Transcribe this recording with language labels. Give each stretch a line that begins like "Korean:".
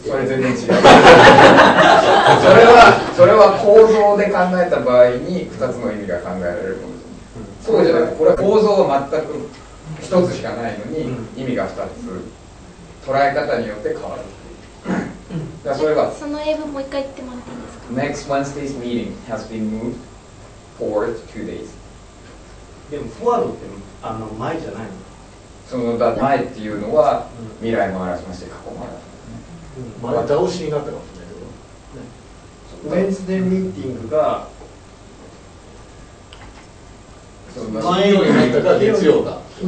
Japanese: それ全然違うそれはそれは構造で考えた場合に2つの意味が考えられるかもしれない、うん、そうじゃなくてこれは構造は全く1つしかないのに意味が2つ、うん、捉え方によって変わるじゃあそれはその英文もう一回言ってもらっていいですか。
English: Next Wednesday's meeting has been moved forward 2 days。
Japanese: でもフォワードってあの前じゃないの、その前っていうのは未来も表しまして過去も表す、前倒しになったかもしれないけど、ね、
English: Wednesday meeting
Japanese: が金曜になったか月曜だ、